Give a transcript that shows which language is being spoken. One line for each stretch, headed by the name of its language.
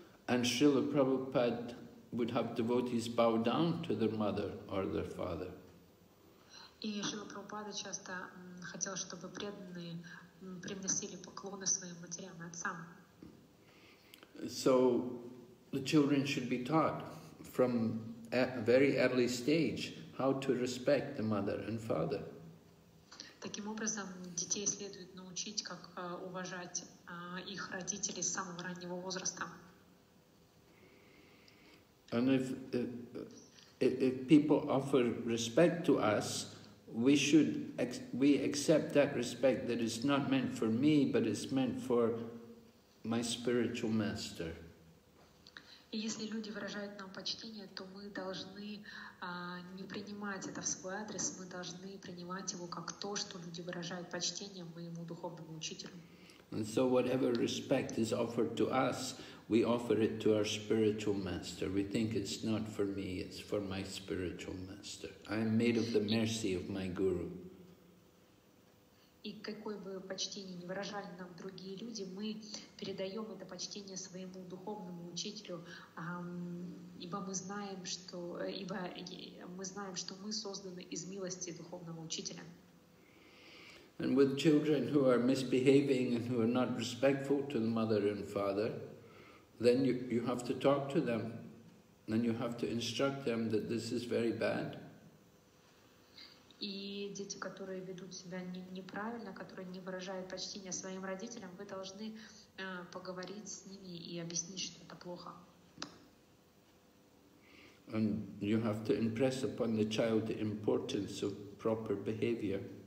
English: And Srila Prabhupada would have devotees bow down to their mother or their father.
Russian: И Шрила Прабхупада часто хотел, чтобы преданные приносили поклоны своим матерям и отцам.
English: So the children should be taught from a very early stage how to respect the mother and father.
Russian: Таким образом, детей следует научить, как уважать их родителей с самого раннего возраста.
English: And if people offer respect to us, we accept that respect that is not meant for me, but it's meant for my spiritual master.
Russian: И если люди выражают нам почтение, то мы должны не принимать это в свой адрес, мы должны принимать его как то, что люди выражают почтение моему духовному учителю.
English: And so whatever respect is offered to us, we offer it to our spiritual master. We think it's not for me, it's for my spiritual master. I am made of the mercy of my guru.
Russian: И какое бы почтение ни выражали нам другие люди, мы передаем это почтение своему духовному учителю, ибо мы знаем, что мы созданы из милости духовного учителя.
English: And with children who are misbehaving and who are not respectful to the mother and father, then you have to talk to them, then you have to instruct them that this is very bad.
Russian: И дети, которые ведут себя неправильно, которые не выражают почтения своим родителям, вы должны поговорить с ними и объяснить, что это плохо.
English: And you have to impress upon the child the importance of proper behavior.